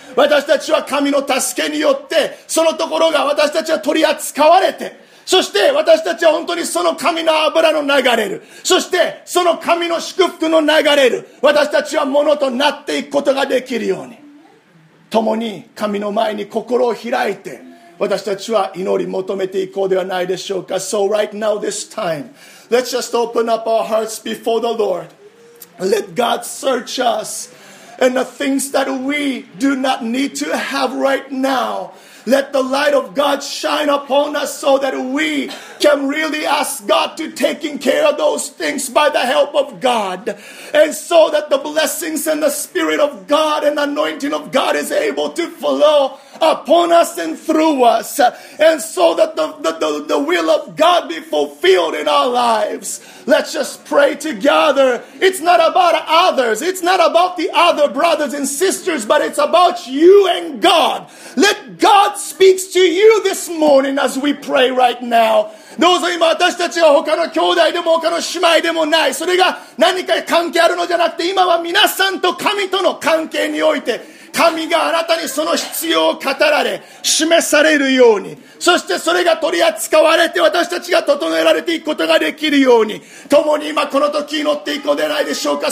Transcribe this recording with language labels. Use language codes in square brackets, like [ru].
[ja] 私たちは神の助けによってそのところが私たちは取り扱われて、そして私たちは本当にその神の油の流れる、そしてその神の祝福の流れる、私たちはものとなっていくことができるように、共に神の前に心を開いて私たちは祈り求めていこうではないでしょうか。 [en] So right now this time, let's just open up our hearts before the Lord. Let God search us, and the things that we do not need to have right now, Let the light of God shine upon us so that we can really ask God to taking care of those things by the help of God. And so that the blessings and the Spirit of God and anointing of God is able to flow upon us and through us. And so that the will of God be fulfilled in our lives. Let's just pray together. It's not about others. It's not about the other brothers and sisters, but it's about you and God. Let God speak to you this morning as we pray right now. [ja] どうぞ今私たちが他の兄弟でも他の姉妹でもない。それが何か関係あるのじゃなくて、今は皆さんと神との関係において、神があなたにその必要を語られ、示されるように。そしてそれが取り扱われて私たちが整えられていくことができるように、共に今この時祈っていこうではないでしょうか。